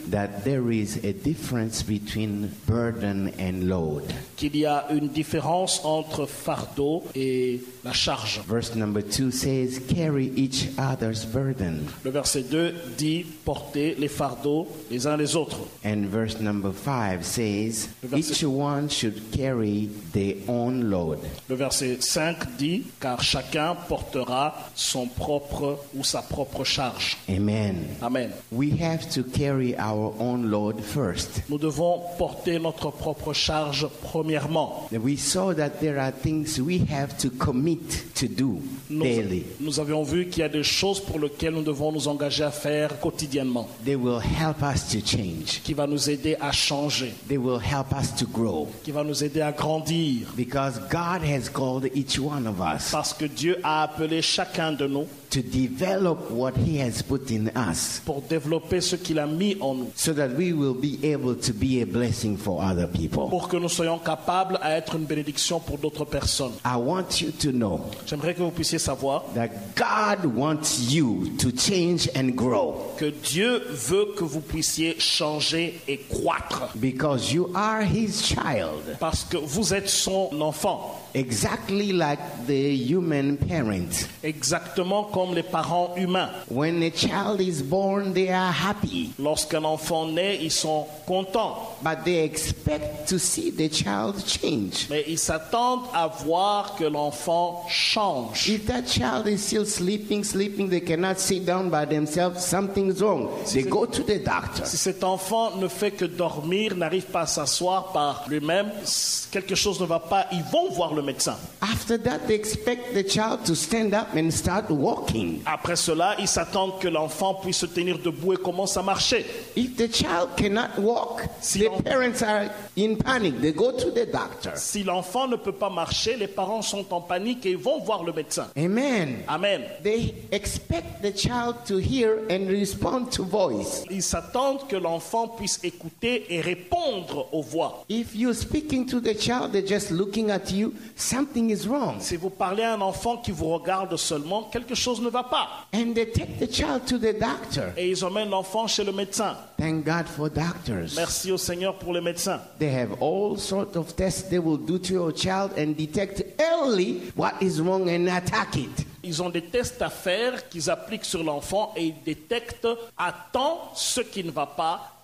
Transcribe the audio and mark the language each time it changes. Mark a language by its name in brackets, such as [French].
[English] that there is a difference between burden and load. [French] Qu'il y a une différence entre fardeau et la charge. [English] Verse number 2 says, carry each other's burden. [French] Le verset 2 dit, portez les fardeaux les uns les autres. [English] And verse number 5 says, each one should carry their own load. [French] Le verset 5 dit, car chacun portera son propre ou sa propre charge. [English] Amen. [French] Amen. [English] We have to carry our own load first. [French] Nous devons porter notre propre charge premièrement. [English] We saw that there are things we have to commit to do daily. [French] Nous avions vu qu'il y a des choses pour lesquelles nous devons nous engager à faire quotidiennement. [English] They will help us to change. [French] Qui va nous aider à changer. [English] They will help us to grow. [French] Qui va nous aider à grandir. [English] Because God has called each one of us. [French] Parce que Dieu a appelé chacun de nous [English] to develop what he has put in us, [French] pour développer ce qu'il a mis en nous, [English] so that we will be able to be a blessing for other people, [French] pour que nous soyons capables à être une bénédiction pour d'autres personnes. [English] I want you to know, [French] j'aimerais que vous puissiez savoir, [English] that God wants you to change and grow, [French] que Dieu veut que vous puissiez changer et croître, [English] because you are his child, [French] parce que vous êtes son enfant. [English] Exactly like the human parent. [French] Exactement comme les parents humains. [English] When a child is born, they are happy. [French] Lorsqu'un enfant naît, ils sont contents. [English] But they expect to see the child change. [French] Mais ils s'attendent à voir que l'enfant change. [English] If that child is still sleeping, they cannot sit down by themselves, something's wrong. They go to the doctor. [French] Si cet enfant ne fait que dormir, n'arrive pas à s'asseoir par lui-même, quelque chose ne va pas, ils vont voir le médecin. [English] After that, they expect the child to stand up and start walking. [French] Après cela, ils s'attendent que l'enfant puisse se tenir debout et commence à marcher. [English] If the child cannot walk, si the parents are in panic. They go to the doctor. [French] Si l'enfant ne peut pas marcher, les parents sont en panique et vont voir le médecin. [English] Amen. [French] Amen. [English] They expect the child to hear and respond to voice. [French] Ils s'attendent que l'enfant puisse écouter et répondre aux voix. [English] If you're speaking to the child, they're just looking at you. Something is wrong. [French] Si vous parlez à un enfant qui vous regarde seulement, quelque chose ne va pas. [English] And they take the child to the doctor. [French] Et ils emmènent l'enfant chez le médecin. [English] Thank God for doctors. [French] Merci au Seigneur pour les médecins. [English] They have all sorts of tests they will do to your child and detect early what is wrong and attack it. [French] Ils ont des tests à faire qu'ils appliquent sur l'enfant et ils détectent à temps ce qui ne va pas